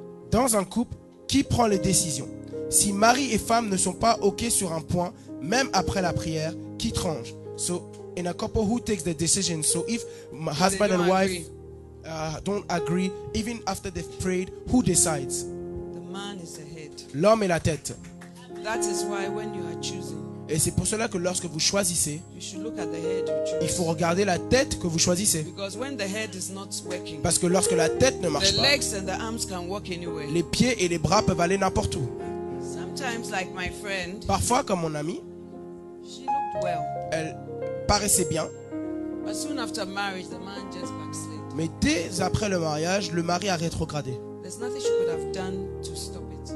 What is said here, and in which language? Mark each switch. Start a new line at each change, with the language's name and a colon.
French: Dans un couple, qui prend les décisions? Si mari et femme ne sont pas ok sur un point, même après la prière, qui tranche?
English: So, in a couple, who takes the decision? So, if my husband and wife don't agree, even after they've prayed, who decides? The man is the head.
French: L'homme est la tête.
English: That is why when you are choosing,
French: et c'est pour cela que lorsque vous choisissez,
English: you should look at the head you choose.
French: Il faut regarder la tête que vous choisissez.
English: Because when the head is not working,
French: parce que lorsque la tête ne marche
English: the legs and the arms can work anywhere.
French: Les pieds et les bras peuvent aller n'importe où.
English: Sometimes, like my friend,
French: parfois, comme mon amie,
English: she looked well.
French: Elle paraissait bien.
English: But soon after marriage, the man just backslid.
French: Mais dès après le mariage, le mari a rétrogradé.
English: There's nothing she could have done to stop it.